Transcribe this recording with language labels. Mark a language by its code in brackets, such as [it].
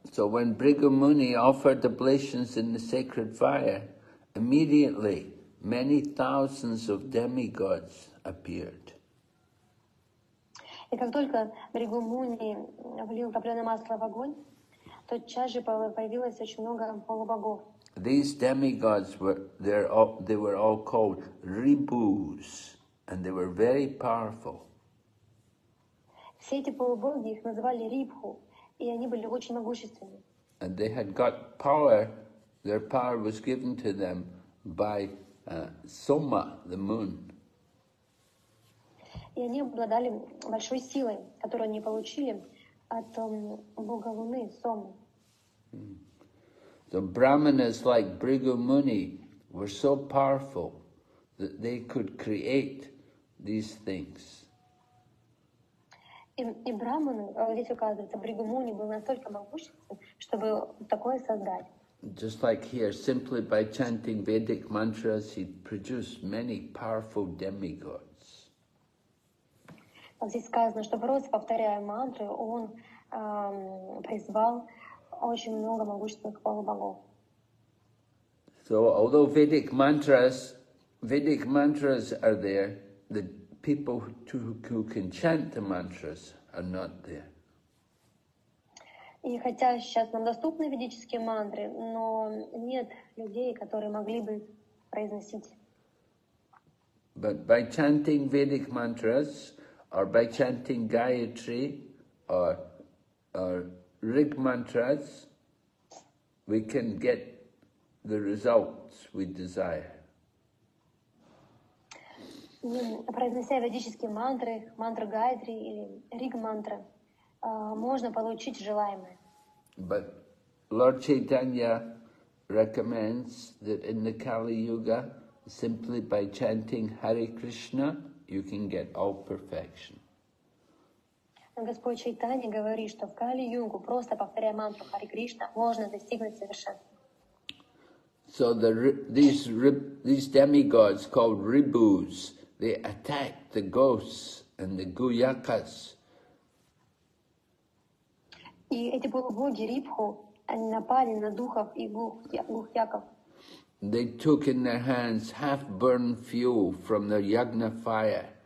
[en] So when Brigham Muni offered oblations in the sacred fire, immediately many thousands of demigods appeared. [ru] И как только Бригум Муни влил топленое масло в огонь, тотчас же появилось очень много полубогов. [en] These demigods were all called Ribus, and they were very powerful. [ru] Все эти полубоги их называли Рибху, и они были очень могущественны. [en] And they had got power, their power was given to them by Soma, the moon. [ru] И они обладали большой силой, которую они получили от бога Луны, Сомы. [en] The brahmanas like Brigham Muni were so powerful that they could create these things. [ru] И брахманы, здесь указывается, Бригум Муни был настолько могущественным, чтобы такое создать. [en] Just like here, simply by chanting Vedic mantras, he produced many powerful demigods. [ru] Вот здесь сказано, что просто повторяя мантры, он призвал очень много могущественных полубогов. [en] So although Vedic mantras are there, the people who can chant the mantras are not there. [ru] И хотя сейчас нам доступны ведические мантры, но нет людей, которые могли бы произносить. [en] But by chanting Vedic mantras, or by chanting Gayatri, or Rig mantras, we can get the results we desire. [ru] Произнося ведические мантры, мантру Гайдри или Риг мантра, можно получить желаемое. [en] But Lord Chaitanya recommends that in the Kali Yuga, simply by chanting Hare Krishna, you can get all perfection. [ru] Господь Чайтанья говорит, что в Кали-Югу, просто повторяя мантру Хари Кришна, можно достигнуть совершенства. [en] So these demigods called Ribus, they attacked the ghosts and the Guyakas. [ru] И эти полубоги Рипху, они напали на духов и гухьяков. [en] They took in their hands half-burned fuel from the yagna fire.